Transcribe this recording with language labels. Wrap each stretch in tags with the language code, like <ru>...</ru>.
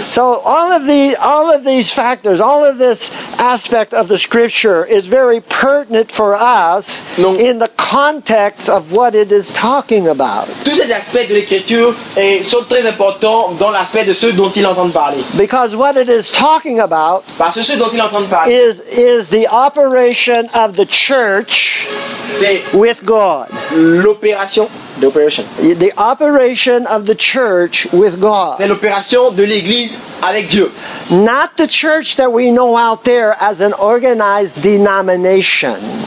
<en>So all of these factors, all of this aspect of the scripture is very pertinent for us in the context of what it is talking about.</en> <fr>Tous ces aspects de l'écriture sont très importants dans l'aspect de ceux dont il entend parler.</fr> <en>Because what it is talking about. Is the operation of the church with God.</en> <fr>L'opération.</fr> <en>The operation of the church with God.</en> <fr>C'est l'opération de l'église avec Dieu.</fr> <en>Not the church that we know out there as an organized denomination.</en>